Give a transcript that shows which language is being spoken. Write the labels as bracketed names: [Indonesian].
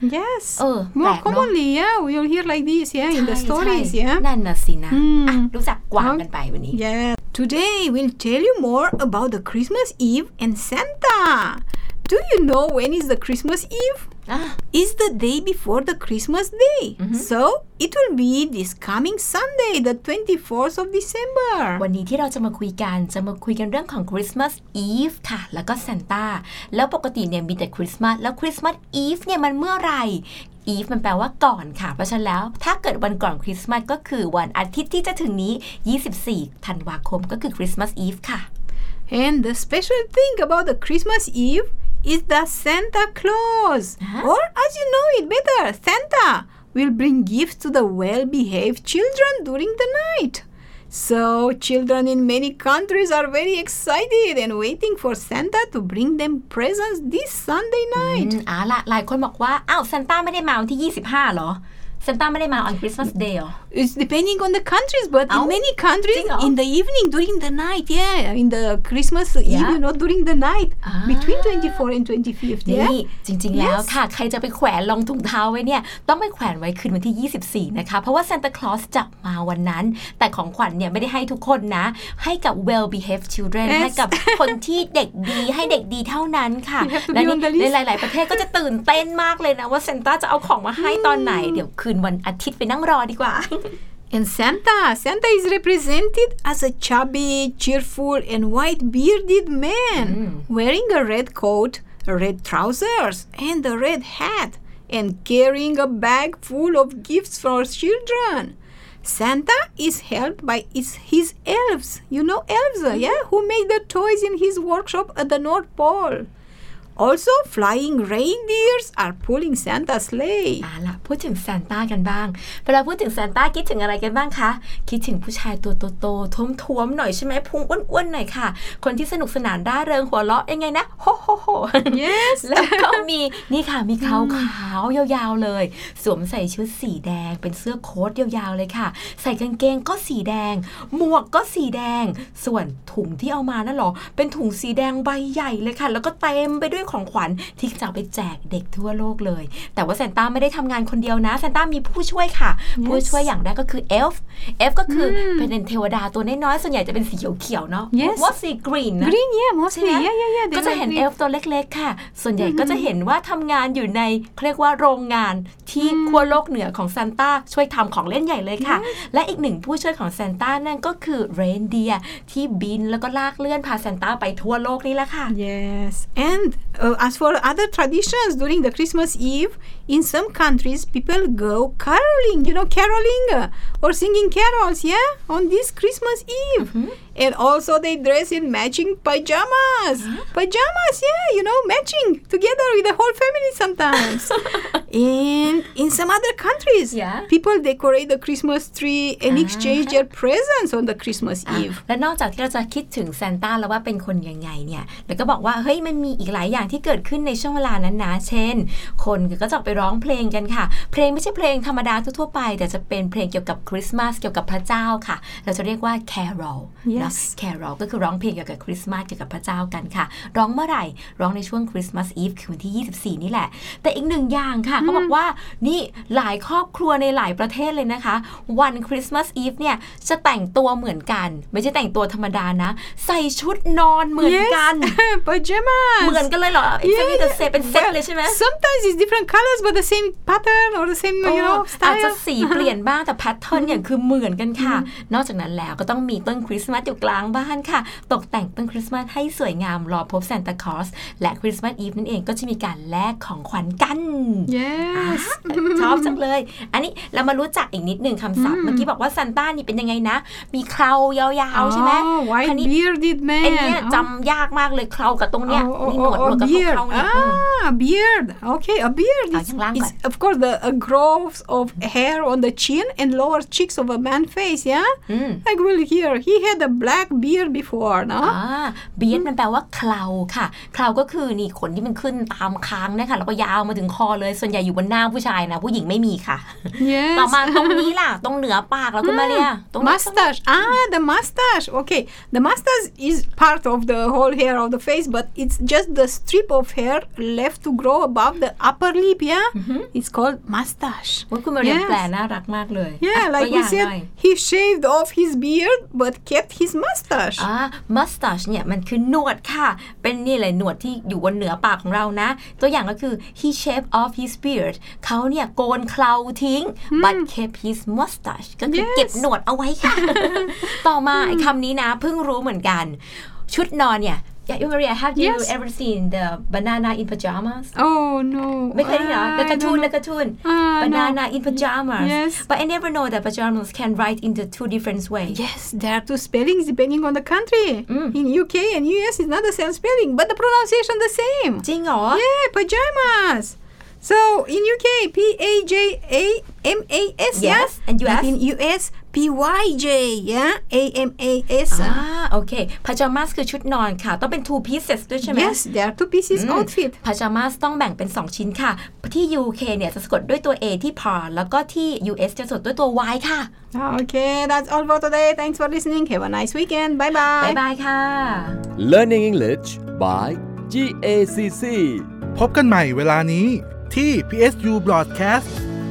[English] Yes. More commonly, yeah, you'll hear like this, yeah, in the stories, yeah. [Thai] นั่นน่ะสินะรู้จักกวางกันไปวันนี้ [English] Yeah. Today we'll tell you more about the Christmas Eve and Santa. Do you know when is the Christmas Eve? It's the day before the Christmas Day. Mm-hmm. So it will be this coming Sunday, the 24th of December. [Thai] วันนี้ที่เราจะมาคุยกันจะมาคุยกันเรื่องของ Christmas Eve ค่ะแล้วก็ Santa. แล้วปกติเนี่ยมีแต่ Christmas แล้ว Christmas Eve เนี่ยมันเมื่อไหร่Eve มันแปลว่าก่อนค่ะเพราะฉะนั้นแล้วถ้าเกิดวันก่อนคริสต์มาสก็คือวันอาทิตย์ที่จะถึงนี้24ธันวาคมก็คือ Christmas Eve ค่ะ [English] And the special thing about the Christmas Eve is that Santa Claus or as you know it better Santa will bring gifts to the well-behaved children during the night so children in many countries are very excited and waiting for Santa to bring them presents this Sunday night [Thai] อ๋อละหลายคนบอกว่าอ้าวซานต้าไม่ได้มาวันที่25หรอ Santa ไม่ได้มา [English] on Christmas Day [Thai] หรอ [English] It's depending on the countries but in many countries in the evening during the night in the Christmas Eve you know during the night between 24 and 25 [Thai] จริงๆแล้วค่ะใครจะไปแขวนรองถุงเท้าไว้เนี่ยต้องไปแขวนไว้คืนวันที่24นะคะเพราะว่า Santa Claus จะมาวันนั้นแต่ของขวัญเนี่ยไม่ได้ให้ทุกคนนะให้กับ [English] well behaved children [Thai] ให้กับคนที่เด็กดีให้เด็กดีเท่านั้นค่ะและในหลายๆประเทศก็จะตื่นเต้นมากเลยนะว่าเซนต้าจะเอาของมาให้ตอนไหนเดี๋ยวคืนวันอาทิตย์ไปนั่งรอดีกว่า [English] And Santa is represented as a chubby, cheerful and white bearded man wearing a red coat, red trousers and a red hat and carrying a bag full of gifts for children. Santa is helped by his elves. You know elves, yeah? Who make the toys in his workshop at the North Pole. Also, flying reindeers are pulling Santa's sleigh. [Thai] อ่ะล่ะพูดถึงซานต้ากันบ้างเวลาพูดถึงซานต้าคิดถึงอะไรกันบ้างคะคิดถึงผู้ชายตัวโตๆท้วมๆหน่อยใช่ไหมพุงอ้วนๆหน่อยค่ะคนที่สนุกสนานร่าเริงหัวเราะยังไงนะโฮโฮโฮ [English] Yes [Thai] แล้วก็มีนี่ค่ะมีขาวๆยาวๆเลยสวมใส่ชุดสีแดงเป็นเสื้อโค้ทยาวๆเลยค่ะใส่กางเกงก็สีแดงหมวกก็สีแดงส่วนถุงที่เอามานั่นหรอเป็นถุงสีแดงใบใหญ่เลยค่ะแล้วก็เต็มไปด้วยของขวัญที่จะไปแจกเด็กทั่วโลกเลยแต่ว่าซานต้าไม่ได้ทำงานคนเดียวนะซานต้ามีผู้ช่วยค่ะ yes. ผู้ช่วยอย่างแรกก็คือเอลฟ์เอลฟ์ก็คือ เป็นเทวดาตัวน้อยๆส่วนใหญ่จะเป็นสีเขียวๆเนาะ [English] yes. What's the green นะ green yeah mostly yeah yeah yeah [Thai] ก็จะเห็นเอลฟ์ตัวเล็กๆค่ะส่วนใหญ่ก็จะเห็นว่าทำงานอยู่ในเรียกว่าโรงงานที่ขั้วโลกเหนือของซานต้าช่วยทำของเล่นใหญ่เลยค่ะ yes. และอีกหนึ่งผู้ช่วยของซานต้านั่นก็คือเรนเดียร์ที่บินแล้วก็ลากเลื่อนพาซานต้าไปทั่วโลกนี่แหละค่ะ [English] yes andAs for other traditions during the Christmas Eve, in some countries, people go caroling, you know, caroling or singing carols, yeah, on this Christmas Eve. Mm-hmm. And also they dress in matching pajamas. Pajamas, yeah, you know, matching together with the whole family sometimes. And in some other countries, people decorate the Christmas tree and exchange their presents on the Christmas Eve. [Thai] และนอกจากที่เราจะคิดถึงซานต้าแล้วว่าเป็นคนยังไงเนี่ยแล้วก็บอกว่าเฮ้ยมันมีอีกหลายอย่างที่เกิดขึ้นในช่วงเวลานั้นนะเช่นคนก็จะไปร้องเพลงกันค่ะเพลงไม่ใช่เพลงธรรมดาทั่วไปแต่จะเป็นเพลงเกี่ยวกับคริสต์มาสเกี่ยวกับพระเจ้าค่ะเราจะเรียกว่า carol [English] Yes. [Thai] Carol ก็คือร้องเพลงเกี่ยวกับคริสต์มาสเกี่ยวกับพระเจ้ากันค่ะร้องเมื่อไหร่ร้องในช่วง Christmas Eve คือวันที่24นี่แหละแต่อีกหนึ่งอย่างค่ะ เขาบอกว่านี่หลายครอบครัวในหลายประเทศเลยนะคะวัน Christmas Eve เนี่ยจะแต่งตัวเหมือนกันไม่ใช่แต่งตัวธรรมดานะใส่ชุดนอนเหมือนกัน [English] pajama [Thai] เหมือนกันเลยเหรอ [English] it's like the same [Thai] เป็นเซ็ตเลยใช่ไหม [English] sometimes it's different colors but the same pattern or the same you know style [Thai] อาจจะสีเปลี่ยนบ้างแต่ pattern เนี่ยคือเหมือนกันค่ะนอกจากนั้นแล้วก็ต้องมีต้นคริสต์มาสอยู่กลางบ้านค่ะตกแต่งต้นคริสต์มาสให้สวยงามรอพบซานต้าคลอสและคริสต์มาสอีฟนั่นเองก็จะมีการแลกของขวัญกัน [English] yes. [Thai] อชอบจังเลยอันนี้เรามารู้จักอีกนิดนึงคำศัพท์เมื่อกี้บอกว่าซานต้านี่เป็นยังไงนะมีเครายาวๆใช่ไหม คันนี้ [English] bearded man [Thai] เนี่ยจำยากมากเลยเครากับตรงเนี้ยมีหนวดหนวดกับตรงเครานี่ [English] beard okay a beard is of course the growth of hair on the chin and lower cheeks of a man face yeah like we'll hear he hadthe black beard before นะ [Thai] เบียดมันแปลว่าเคราค่ะเคราก็คือนี่ขนที่มันขึ้นตามคางนะคะแล้วก็ยาวมาถึงคอเลยส่วนใหญ่อยู่บนหน้าผู้ชายนะผู้หญิงไม่มีค่ะ [English] yes. [Thai] ต่อมาตรงนี้ล่ะตรงเหนือปากแล้วก็มาเรียตรง [English] mustache the mustache okay the mustache is part of the whole hair of the face but it's just the strip of hair left to grow above the upper lip yeah it's called mustache [Thai] ว่าคุณมาเรียนแปลน่ารักมากเลย [English] yeah like you said he shaved off his beard but kept his mustache [Thai] mustache เนี่ยมันคือหนวดค่ะเป็นนี่เลยหนวดที่อยู่บนเหนือปากของเรานะตัวอย่างก็คือ [English] he shaved off his beard [Thai] เขาเนี่ยโกนเคราทิ้ง [English] but kept his mustache [Thai] ก็คือ yes. เก็บหนวดเอาไว้ค่ะ ต่อมาไอ้คำนี้นะเพิ่งรู้เหมือนกันชุดนอนเนี่ย [English] Yeah, Maria, have you yes. ever seen the banana in pajamas? Oh, no. The cartoon. Banana in pajamas. Yes. But I never know that pajamas can write in the two different ways. Yes, there are two spellings depending on the country. Mm. In UK and US, it's not the same spelling, but the pronunciation the same. Jing or? Yeah, pajamas. So in UK, P-A-J-A-M-A-S, yes, yes? And US? In US, PYJ yeah AMAS [Thai] okay pajamas คือชุดนอนค่ะต้องเป็น [English] two pieces [Thai] ด้วยใช่ไหม [English] yes there are two pieces outfit [Thai] pajamas ต้องแบ่งเป็น2ชิ้นค่ะที่ UK เนี่ยจะสะกดด้วยตัว A ที่ par แล้วก็ที่ US จะสะกดด้วยตัว Y ค่ะ [English] okay that's all for today thanks for listening have a nice weekend bye bye bye bye ค่ะ learning English by GACC [Thai] พบกันใหม่เวลานี้ที่ PSU Broadcast